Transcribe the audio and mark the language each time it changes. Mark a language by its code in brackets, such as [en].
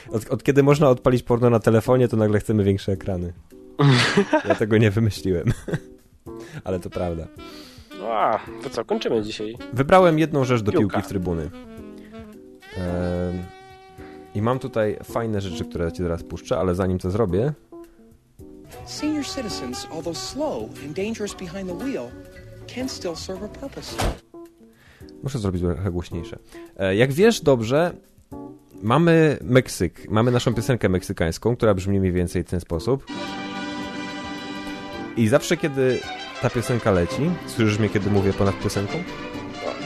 [pl] od kiedy można odpalić porno na telefonie, to nagle chcemy większe ekrany. Ja tego nie wymyśliłem. Ale to prawda. No, to co, kończymy dzisiaj. Wybrałem jedną rzecz do piłki w trybuny. I mam tutaj fajne rzeczy, które ci teraz puszczę, ale zanim to zrobię... [en] Senior citizens, although slow and dangerous behind the wheel, can still serve a purpose. [pl] Muszę zrobić trochę głośniejsze. Jak wiesz dobrze, mamy Meksyk. Mamy naszą piosenkę meksykańską, która brzmi mniej więcej w ten sposób. I zawsze, kiedy... ta piosenka leci. Słyszysz mnie, kiedy mówię ponad piosenką? No,